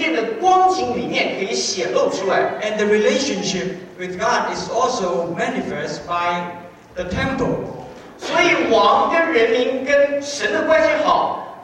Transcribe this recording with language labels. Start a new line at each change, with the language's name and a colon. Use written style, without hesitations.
Chinese: 他跟神的关系就从圣殿的光景里面可以显露出来,
English: and the relationship with God is also manifest by the temple.
Chinese: 所以王跟人民跟神的关系好,